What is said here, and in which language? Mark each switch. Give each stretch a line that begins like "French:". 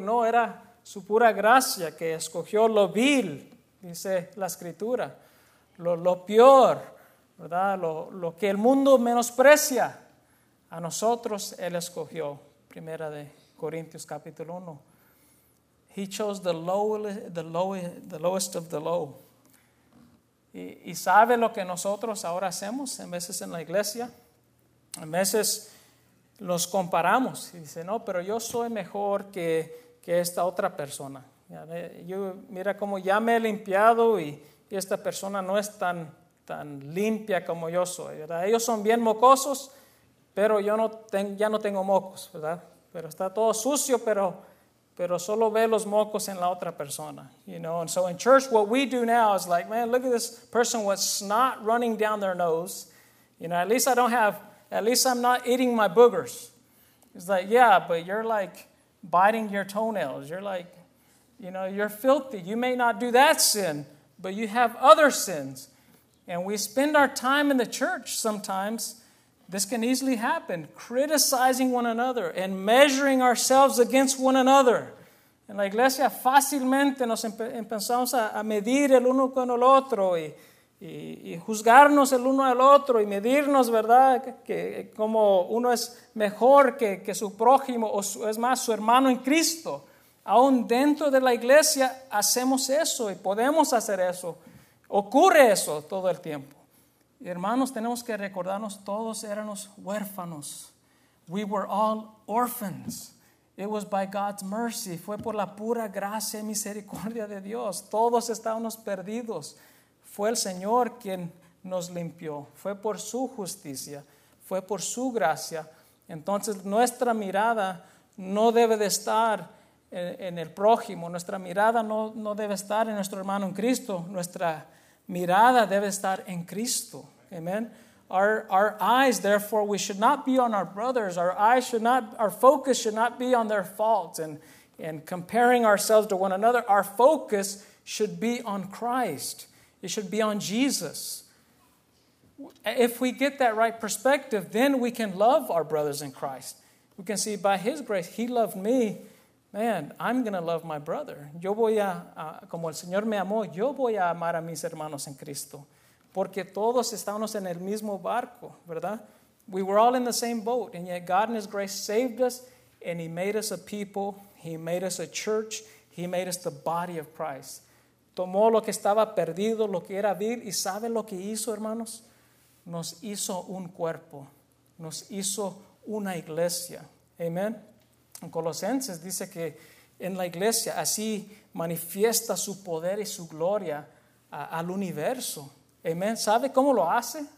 Spanish: No, era su pura gracia que escogió lo vil, dice la Escritura, lo peor, ¿verdad? Lo que el mundo menosprecia, a nosotros Él escogió. Primera de Corintios capítulo 1.
English: He chose the lowest of the low.
Spanish: Y sabe lo que nosotros ahora hacemos en veces en la iglesia. En veces los comparamos y dice, no, pero yo soy mejor que esta otra persona. Yo, mira cómo ya me he limpiado y esta persona no es tan limpia como yo soy, ¿verdad? Ellos son bien mocosos, pero yo ya no tengo mocos, ¿verdad? Pero está todo sucio, pero solo ve los mocos en la otra persona.
English: You know, and so in church, what we do now is like, man, look at this person with snot running down their nose. You know, at least I'm not eating my boogers. It's like, yeah, but you're like biting your toenails. You're like, you know, you're filthy. You may not do that sin, but you have other sins. And we spend our time in the church sometimes, this can easily happen, criticizing one another and measuring ourselves against one another.
Spanish: En la iglesia fácilmente nos empezamos a medir el uno con el otro y juzgarnos el uno al otro y medirnos, ¿verdad? Que como uno es mejor que su prójimo o es más su hermano en Cristo. Aún dentro de la iglesia hacemos eso y podemos hacer eso. Ocurre eso todo el tiempo. Hermanos, tenemos que recordarnos, todos éramos huérfanos.
English: We were all orphans. It was by God's mercy.
Spanish: Fue por la pura gracia y misericordia de Dios. Todos estábamos perdidos. Fue el Señor quien nos limpió. Fue por su justicia. Fue por su gracia. Entonces, nuestra mirada no debe de estar en el prójimo. Nuestra mirada no debe estar en nuestro hermano en Cristo. Nuestra mirada debe estar en Cristo. Amen.
English: Our eyes, therefore, we should not be on our brothers. Our focus should not be on their faults and comparing ourselves to one another. Our focus should be on Christ. It should be on Jesus. If we get that right perspective, then we can love our brothers in Christ. We can see by his grace, he loved me. Man, I'm going to love my brother.
Spanish: Yo voy a, como el Señor me amó, yo voy a amar a mis hermanos en Cristo. Porque todos estamos en el mismo barco, ¿verdad?
English: We were all in the same boat, and yet God in his grace saved us, and he made us a people, he made us a church, he made us the body of Christ.
Spanish: Tomó lo que estaba perdido, lo que era vil, y ¿sabe lo que hizo, hermanos? Nos hizo un cuerpo, nos hizo una iglesia. Amen. En Colosenses dice que en la iglesia así manifiesta su poder y su gloria al universo. Amen. ¿Sabe cómo lo hace?